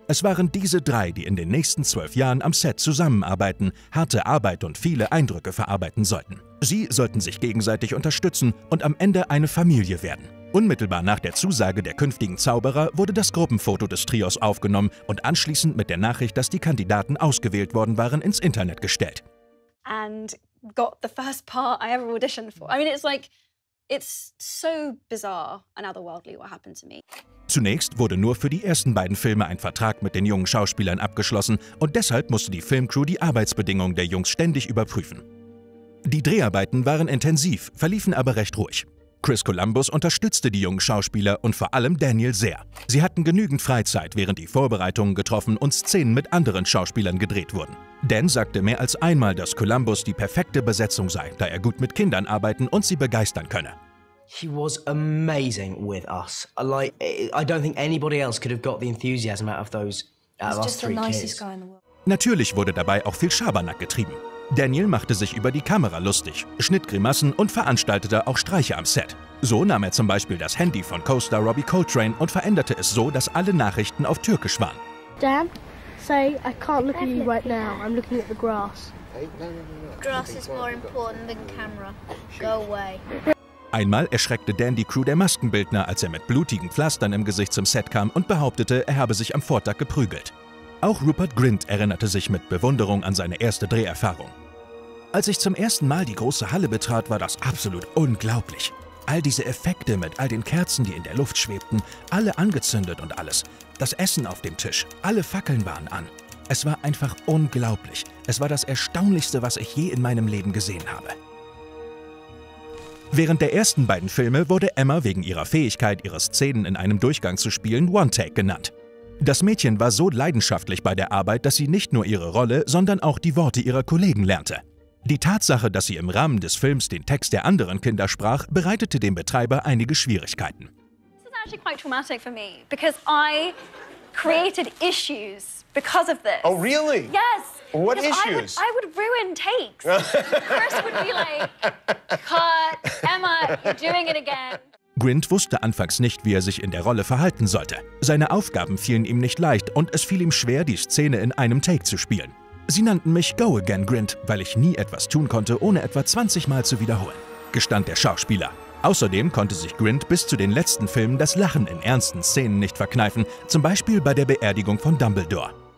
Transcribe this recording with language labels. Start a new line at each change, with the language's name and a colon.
German: Es waren diese drei, die in den nächsten 12 Jahren am Set zusammenarbeiten, harte Arbeit und viele Eindrücke verarbeiten sollten. Sie sollten sich gegenseitig unterstützen und am Ende eine Familie werden. Unmittelbar nach der Zusage der künftigen Zauberer wurde das Gruppenfoto des Trios aufgenommen und anschließend mit der Nachricht, dass die Kandidaten ausgewählt worden waren, ins Internet gestellt.
English: And got the first part I ever auditioned for. I mean, it's like, it's so bizarre and otherworldly what happened to me.
German: Zunächst wurde nur für die ersten beiden Filme ein Vertrag mit den jungen Schauspielern abgeschlossen und deshalb musste die Filmcrew die Arbeitsbedingungen der Jungs ständig überprüfen. Die Dreharbeiten waren intensiv, verliefen aber recht ruhig. Chris Columbus unterstützte die jungen Schauspieler und vor allem Daniel sehr. Sie hatten genügend Freizeit, während die Vorbereitungen getroffen und Szenen mit anderen Schauspielern gedreht wurden. Dan sagte mehr als einmal, dass Columbus die perfekte Besetzung sei, da er gut mit Kindern arbeiten und sie begeistern könne.
English: He was amazing with us. Like, I don't think anybody else could have got the enthusiasm out of those three kids.
German: Natürlich wurde dabei auch viel Schabernack getrieben. Daniel machte sich über die Kamera lustig, schnitt Grimassen und veranstaltete auch Streiche am Set. So nahm er zum Beispiel das Handy von Co-Star Robbie Coltrane und veränderte es so, dass alle Nachrichten auf Türkisch waren.
English: Dan, say, I can't look at you right now. I'm looking at the grass. Grass is more important than camera. Go away.
German: Einmal erschreckte Dan die Crew der Maskenbildner, als er mit blutigen Pflastern im Gesicht zum Set kam und behauptete, er habe sich am Vortag geprügelt. Auch Rupert Grint erinnerte sich mit Bewunderung an seine erste Dreherfahrung. Als ich zum ersten Mal die große Halle betrat, war das absolut unglaublich. All diese Effekte mit all den Kerzen, die in der Luft schwebten, alle angezündet und alles. Das Essen auf dem Tisch, alle Fackeln waren an. Es war einfach unglaublich. Es war das Erstaunlichste, was ich je in meinem Leben gesehen habe. Während der ersten beiden Filme wurde Emma wegen ihrer Fähigkeit, ihre Szenen in einem Durchgang zu spielen, One Take genannt. Das Mädchen war so leidenschaftlich bei der Arbeit, dass sie nicht nur ihre Rolle, sondern auch die Worte ihrer Kollegen lernte. Die Tatsache, dass sie im Rahmen des Films den Text der anderen Kinder sprach, bereitete dem Betreiber einige Schwierigkeiten.
English: This is actually quite traumatic for me, because I created issues because of this. Oh, really? Yes. What issues? I would ruin takes. Chris would be like, cut, Emma, you're doing it again.
German: Grint wusste anfangs nicht, wie er sich in der Rolle verhalten sollte. Seine Aufgaben fielen ihm nicht leicht und es fiel ihm schwer, die Szene in einem Take zu spielen. Sie nannten mich Go-Again Grint, weil ich nie etwas tun konnte, ohne etwa 20 Mal zu wiederholen, gestand der Schauspieler. Außerdem konnte sich Grint bis zu den letzten Filmen das Lachen in ernsten Szenen nicht verkneifen, zum Beispiel bei der Beerdigung von Dumbledore.